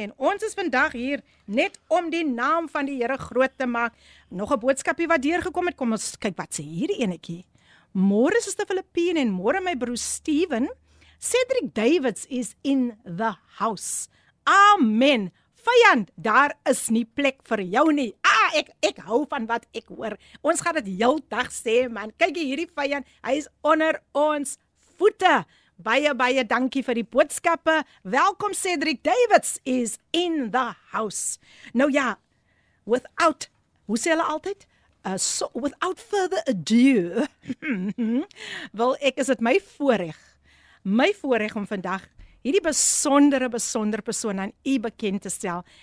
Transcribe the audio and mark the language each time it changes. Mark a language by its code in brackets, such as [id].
[af] En ons is vandag hier net om die naam van die Here groot te maak. Nog 'n boodskapie wat deurgekom het. Kom ons kyk wat sê hierdie enetjie. Môre is die Filippine en môre my broer Steven. [en] Cedric Davids is in the house. [af] Amen. Vyand, daar is nie plek vir jou nie. Ek hou van wat ek hoor. Ons gaan dit heel dag sê, man. Kyk hierdie vyand, hy is onder ons voete. Baie dankie vir die boodskappe. Welkom [en] Cedric Davids is in the house. [af] Nou ja, without, hoe sê hulle altyd? [en] Without further ado, [af] wil ek, is het my voorreg. My voorreg om vandag hierdie besondere persoon aan u bekend te stel.